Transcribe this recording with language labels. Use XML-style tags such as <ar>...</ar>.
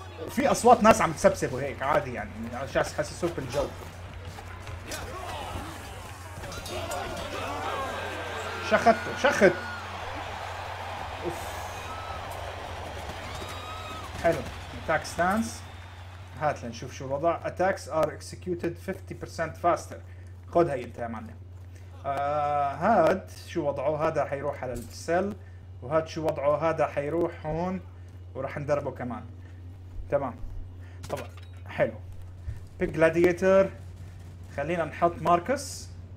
<ar>في اصوات ناس عم تسبسب وهيك عادي يعني عشان يحسسوك بالجو. شخت اوف حلو</ar> <en>attack stance.</en> <ar>هات لنشوف شو الوضع.</ar> <en>Attacks are executed 50% faster.</en> <ar>خذ هاي انت يا معلم. هاد شو وضعه؟ هذا حيروح على السل. وهاد شو وضعه؟ هذا حيروح هون وراح ندربه كمان. تمام. طبعا حلو. Big Gladiator. خلينا نحط ماركوس.</ar>